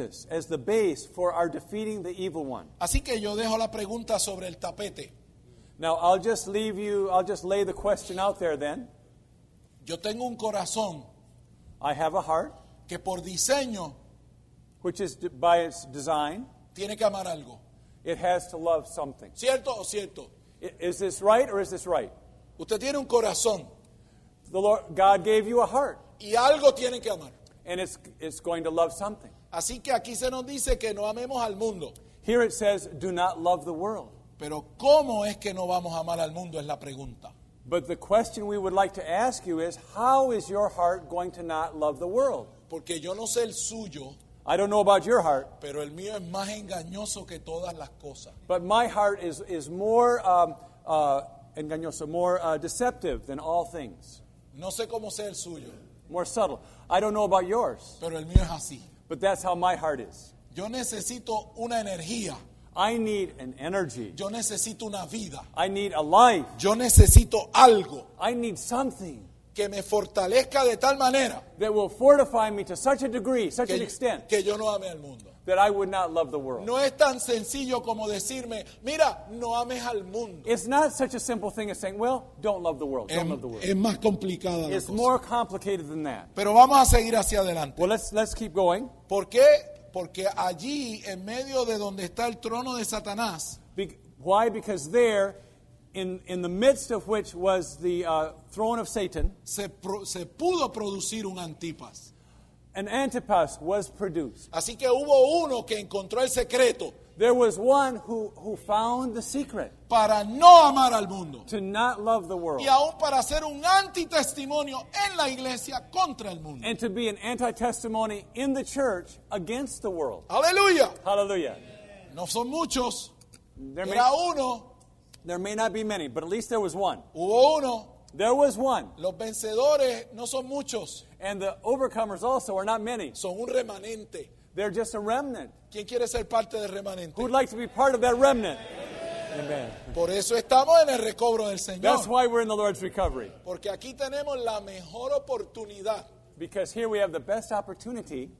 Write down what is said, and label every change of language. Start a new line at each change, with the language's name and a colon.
English: As the base for our defeating the evil one.
Spanish: Así que yo dejo la pregunta sobre el tapete.
English: Now I'll just lay the question out there then.
Spanish: Yo tengo un corazón.
English: I have a heart.
Spanish: Que por diseño.
English: Which is by its design.
Spanish: Tiene que amar algo.
English: It has to love something.
Spanish: ¿Cierto o cierto?
English: Is this right or is this right?
Spanish: Usted tiene un corazón.
English: The Lord, God gave you a heart.
Spanish: Y algo tiene que amar.
English: And it's going to love something.
Spanish: Así que aquí se nos dice que no amemos al mundo.
English: Here it says, do not love the world.
Spanish: Pero ¿cómo es que no vamos a amar al mundo? Es la pregunta.
English: But the question we would like to ask you is, how is your heart going to not love the world?
Spanish: Porque yo no sé el suyo.
English: I don't know about your heart.
Spanish: Pero el mío es más engañoso que todas las cosas.
English: But my heart is more engañoso, more deceptive than all things.
Spanish: No sé cómo sé el suyo.
English: More subtle. I don't know about yours.
Spanish: Pero el mío es así.
English: But that's how my heart is.
Spanish: Yo necesito una energía.
English: I need an energy.
Spanish: Yo necesito una vida.
English: I need a life.
Spanish: Yo necesito algo.
English: I need something.
Spanish: Que me fortalezca de tal manera.
English: That will fortify me to such a degree, such an extent.
Spanish: Que yo no ame al mundo.
English: That I would not love the world.
Spanish: No es tan sencillo como decirme, mira, no ames al mundo.
English: It's not such a simple thing as saying, well, don't love the world. Don't love the world.
Spanish: Es más complicada la cosa.
English: It's more complicated than that.
Spanish: Pero vamos a seguir hacia adelante.
English: Well, let's keep going.
Spanish: ¿Por qué? Porque allí, en medio de donde está el trono de Satanás.
English: Why? Because there, in the midst of which was the throne of Satan.
Spanish: Se pudo producir un Antipas.
English: An Antipas was produced.
Spanish: Así que hubo uno que encontró el secreto.
English: There was one who found the secret.
Spanish: Para no amar al mundo.
English: To not love the world.
Spanish: Y aún para ser un antitestimonio en la iglesia contra el mundo.
English: And to be an anti-testimony in the church against the world.
Spanish: Aleluya.
English: Hallelujah.
Spanish: No son muchos.
English: There
Spanish: era uno.
English: There may not be many, but at least there was one.
Spanish: Hubo uno.
English: There was one.
Spanish: Los vencedores no son muchos.
English: And the overcomers also are not many.
Spanish: Son un remanente.
English: They're just a remnant.
Spanish: ¿Quién quiere ser parte del remanente?
English: Who'd like to be part of that remnant? Amen.
Spanish: Por eso estamos en el recobro del Señor.
English: That's why we're in the Lord's recovery.
Spanish: Porque aquí tenemos la mejor oportunidad.
English: Because here we have the best opportunity